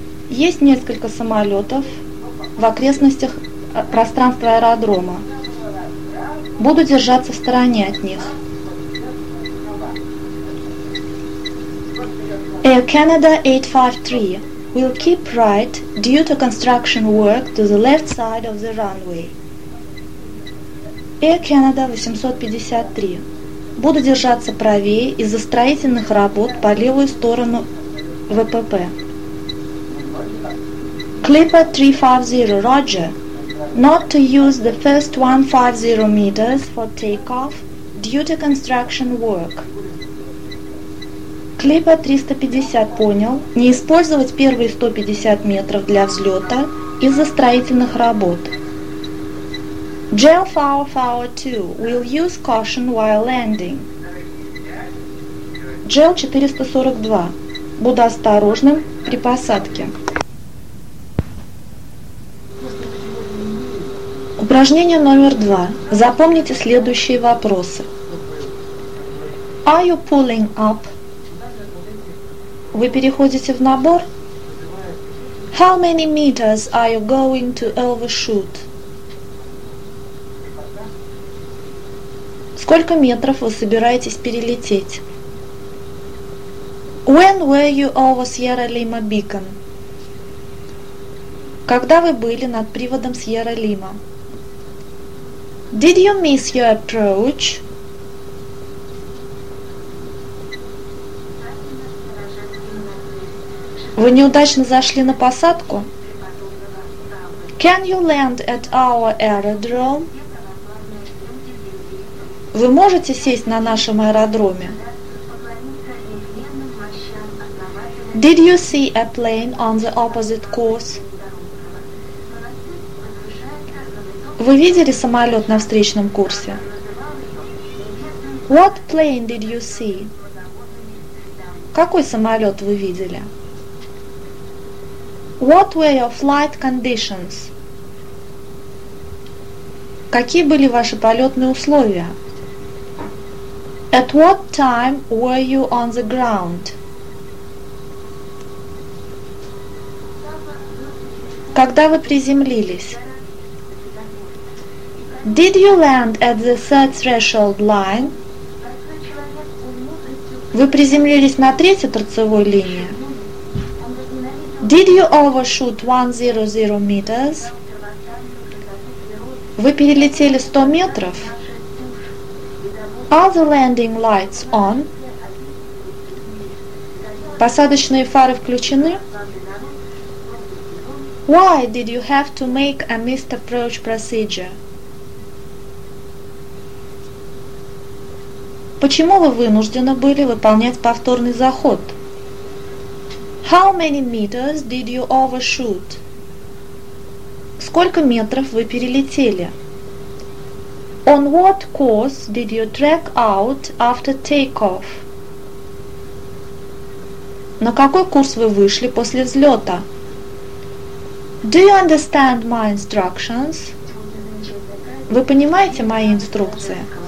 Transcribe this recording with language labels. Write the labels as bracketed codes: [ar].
[ru] Есть несколько самолетов в окрестностях пространства аэродрома. Буду держаться в стороне от них. [en] Air Canada 853 will keep right due to construction work to the left side of the runway. Air Canada 853. [ru] Буду держаться правее из-за строительных работ по левую сторону ВПП. [en] Clipper 350, Roger. Not to use the first 150 meters for takeoff due to construction work. [ru] Clipper 350, понял. Не использовать первые 150 метров для взлета из-за строительных работ. [en] JAL 502 will use caution while landing. JAL 442. [ru] Буду осторожным при посадке. Упражнение номер 2. Запомните следующие вопросы. [en] Are you pulling up? [ru] Вы переходите в набор? [en] How many meters are you going to overshoot? [ru] Сколько метров вы собираетесь перелететь? [en] When were you over Sierra Lima Beacon? [ru] Когда вы были над приводом Sierra Lima? [en] Did you miss your approach? [ru] Вы неудачно зашли на посадку? [en] Can you land at our aerodrome? [ru] Вы можете сесть на нашем аэродроме? [en] Did you see a plane on the opposite course? [ru] Вы видели самолет на встречном курсе? [en] What plane did you see? [ru] Какой самолет вы видели? [en] What were your flight conditions? [ru] Какие были ваши полетные условия? [en] At what time were you on the ground? [ru] Когда вы приземлились? [en] Did you land at the third threshold line? [ru] Вы приземлились на третьей торцевой линии? [en] Did you overshoot 100 meters? [ru] Вы перелетели 100 метров? [en] Are the landing lights on? [ru] Посадочные фары включены? [en] Why did you have to make a missed approach procedure? [ru] Почему вы вынуждены были выполнять повторный заход? [en] How many meters did you overshoot? [ru] Сколько метров вы перелетели? [en] On what course did you track out after takeoff? [ru] На какой курс вы вышли после взлета? [en] Do you understand my instructions? [ru] Вы понимаете мои инструкции?